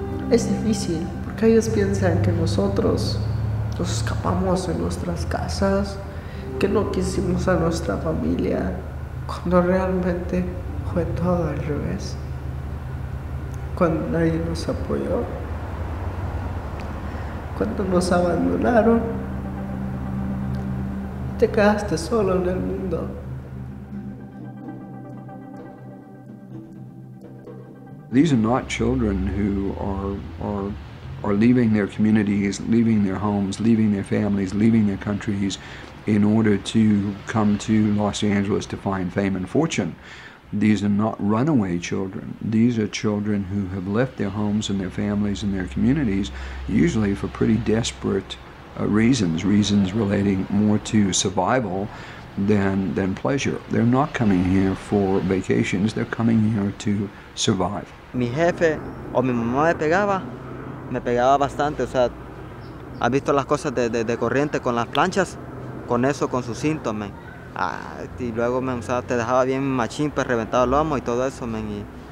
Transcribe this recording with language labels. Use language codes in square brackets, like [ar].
[es] Es difícil, porque ellos piensan que nosotros nos escapamos de nuestras casas, que no quisimos a nuestra familia, cuando realmente fue todo al revés. Cuando nadie nos apoyó, cuando nos abandonaron, te quedaste solo en el mundo. [en] These are not children who are leaving their communities, leaving their homes, leaving their families, leaving their countries in order to come to Los Angeles to find fame and fortune. These are not runaway children. These are children who have left their homes and their families and their communities, usually for pretty desperate reasons relating more to survival than pleasure. They're not coming here for vacations. They're coming here to survive. [es] Mi jefe o mi mamá me pegaba bastante. O sea, ha visto las cosas de corriente con las planchas, con eso, con sus síntomas. Ah, y luego me usaba, te dejaba bien machín, pues reventado el lomo y todo eso, men.